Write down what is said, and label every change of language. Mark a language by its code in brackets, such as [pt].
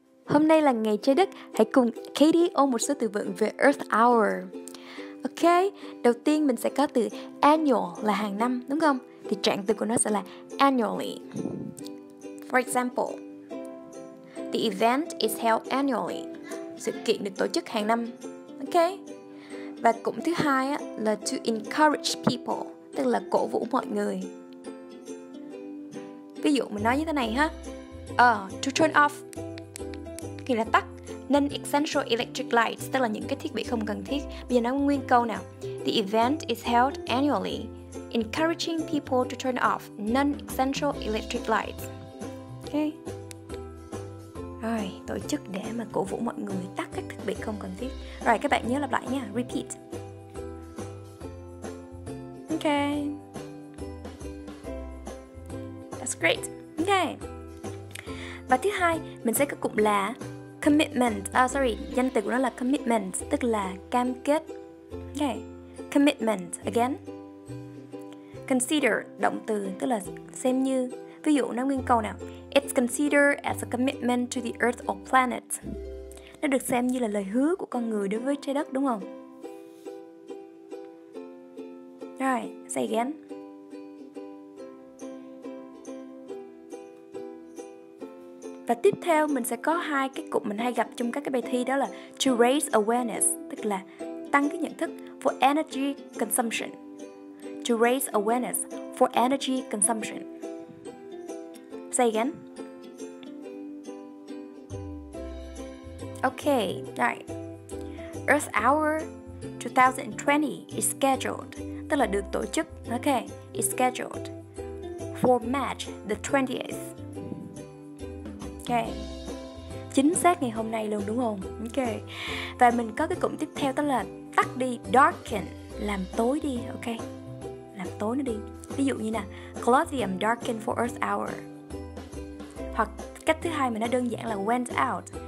[vi] Hôm nay là ngày trái đất, hãy cùng Katie ôn một số từ vựng về Earth Hour. Ok, đầu tiên mình sẽ có từ annual là hàng năm, đúng không? Thì trạng từ của nó sẽ là annually. [en] For example, the event is held annually. [vi] Sự kiện được tổ chức hàng năm. Ok. Và cụm thứ hai là [en] to encourage people, [vi] tức là cổ vũ mọi người. Ví dụ mình nói như thế này ha. [en] To turn off, [vi] nghĩa là tắt, nên [en] essential electric lights, [vi] tức là những cái thiết bị không cần thiết. Bây giờ nói nguyên câu nào. [en] The event is held annually, encouraging people to turn off non-essential electric lights. Ok. [vi] Rồi, tổ chức để mà cổ vũ mọi người tắt các thiết bị không cần thiết. Rồi, các bạn nhớ lặp lại nha. [en] Repeat. Ok. That's great. Ok. [vi] Và thứ hai, mình sẽ có cụm là commitment. Danh từ của nó là commitment, tức là cam kết. Ok. [en] Commitment, again. Consider, [vi] động từ, tức là xem như. Ví dụ, nó nguyên câu nào. [en] It's considered as a commitment to the earth or planet. [vi] Nó được xem như là lời hứa của con người đối với trái đất, đúng không? [en] Right, say again. [vi] Và tiếp theo, mình sẽ có hai cái cụm mình hay gặp trong các cái bài thi, đó là [en] to raise awareness, [vi] tức là tăng cái nhận thức, [en] for energy consumption. To raise awareness for energy consumption. Say again. Okay, right. Earth Hour 2020 is scheduled. [vi] Tức là được tổ chức. [en] Okay, is scheduled for March the 20th. Okay. [vi] Chính xác ngày hôm nay luôn, đúng không? Okay. Và mình có cái cụm tiếp theo, đó là tắt đi, darken, làm tối đi. Okay. Làm tối nó đi. Ví dụ như nè, [en] Colosseum darkened for Earth Hour. [vi] Hoặc cách thứ hai mà nó đơn giản là [en] went out.